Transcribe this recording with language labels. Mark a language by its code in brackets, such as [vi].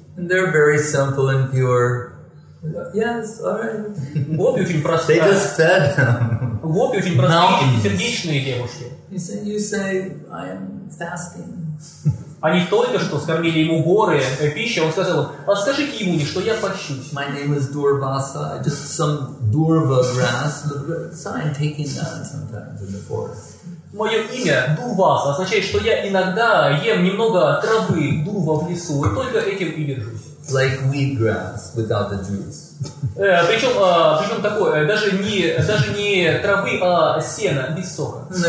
[en] And they're very simple and pure. Yes, all right. They just fed them. [ru] Гопи очень простые, сердечные девушки. [en] You say, I am fasting. [ru] Они только что скормили ему горы, пищу, он сказал, а скажите ему, что я пощусь. [en] My name is Durvasa, just some Durva grass, so I'm taking that sometimes in the forest. [ru] Мое имя Дурваса означает, что я иногда ем немного травы Дурва в лесу, и только этим и держусь. [en] Like wheatgrass without the juice. [ru] Причем такое, даже не травы, а сена без сока.